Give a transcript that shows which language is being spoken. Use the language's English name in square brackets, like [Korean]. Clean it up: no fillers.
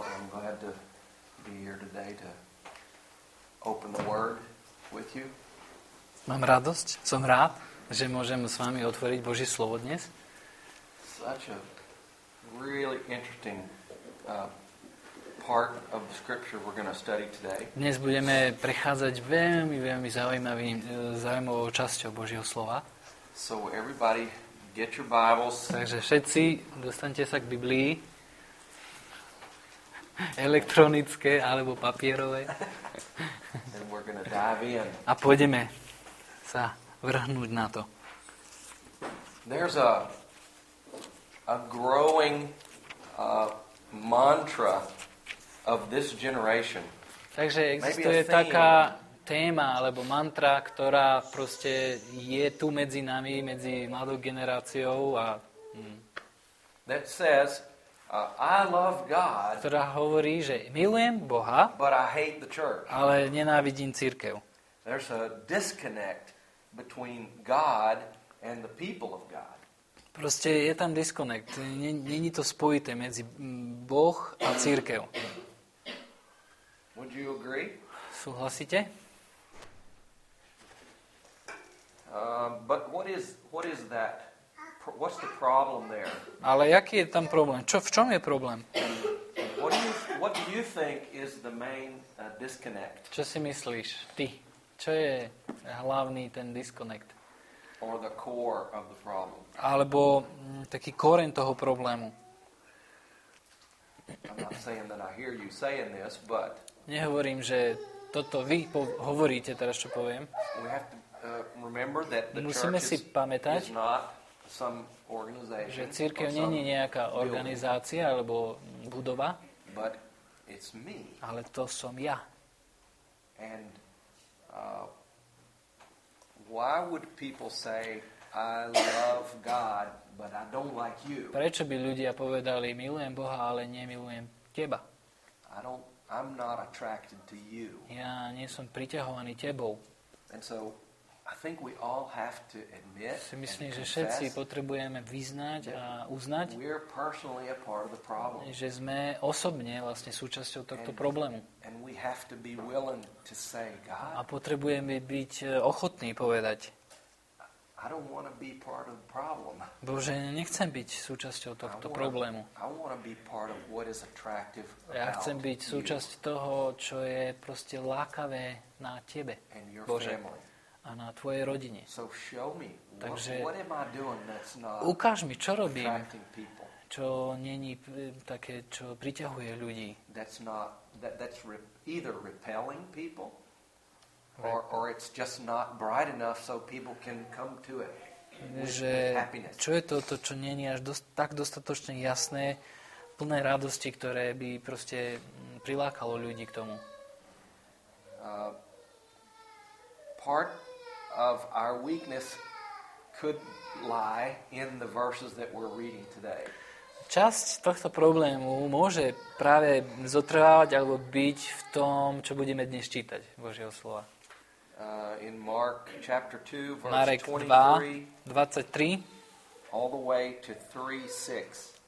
[English] glad to be here today to open the word with you. [Slovak] Mám radosť, som rád, že môžem s vami otvoriť Božie slovo dnes. [English] Such a really interesting part of scripture we're going to study today. [Slovak] Dnes budeme prechádzať veľmi, veľmi zaujímavou časťou Božieho slova. [English] So everybody get your Bibles. [Slovak] Takže všetci dostaňte sa k Biblii. Elektronické alebo papierové. [English] And we're going to dive in. [Slovak] A pôjdeme sa vrhnúť na to. [English] There's a growing mantra of this generation. [Slovak] Takže existuje taká téma alebo mantra, ktorá proste je tu medzi nami, medzi mladou generáciou a [English] That says I love God. [Slovak] Ktorá hovorí, že milujem Boha, [English] but I hate the church. [Slovak] Ale nenávidím cirkev. [English] There's a disconnect between God and the people of God. [Slovak] Proste je tam disconnect. Není to spojité medzi Boh a cirkev. [English] Would you agree? [Slovak] Súhlasíte? [English] But what is that? What's the problem there? [Slovak] Ale aký je tam problém? Čo, v čom je problém? [English] What do you think is the main disconnect? [Slovak] Čo si myslíš ty? Čo je hlavný ten disconnect? [English] Or the core of the problem. [Slovak] Alebo taký koreň toho problému. [English] I'm not saying that I hear you saying this, but [Slovak] nehovorím, že toto vy hovoríte teraz, čo poviem. [English] We have to remember that the [Slovak] musíme [English] church [Slovak] si pamätať, [English] is not some organization, [Slovak] že cirkev nie je nejaká organizácia alebo budova, [English] but it's me. [Slovak] Ale to som ja. [English] And why would people say I love God, but I don't like you? [Slovak] Prečo by ľudia povedali milujem Boha, ale nemilujem teba? [English] I'm not attracted to you. [Slovak] Ja nie som priťahovaný tebou. [English] And so I think we all have to admit. [Slovak] Si myslím, že všetci potrebujeme vyznať a uznať, [English] we're personally a part of the problem. [Slovak] Že sme osobne vlastne súčasťou tohto problému. [English] And we have to be willing to say God. [Slovak] A potrebujeme byť ochotní povedať. [English] I don't want to be part of the problem. [Slovak] Bože, nechcem byť súčasťou tohto problému. [English] I want to be part of what is attractive. [Slovak] Ja chcem byť súčasť toho, čo je proste lákavé na tebe. [English] And your [Slovak] Bože. [English] Family. [Slovak] A na tvojej rodine. [English] So show me, [Slovak] takže [English] what am I doing that's not, [Slovak] ukáž mi, čo robím, čo není také, čo priťahuje ľudí. [English] That's not, that's either repelling people, or it's just not bright enough so people can come to it. [Slovak] Že, čo je to, čo není až tak dostatočne jasné, plné radosti, ktoré by proste prilákalo ľudí k tomu. [English] Part of our weakness could lie in the verses that we're reading today. [Slovak] Časť tohto problému môže práve zotrvávať alebo byť v tom, čo budeme dnes čítať Božieho slova. [English] In Mark chapter 2 verse [Slovak] Marek [English] 23 all the way to 3:6.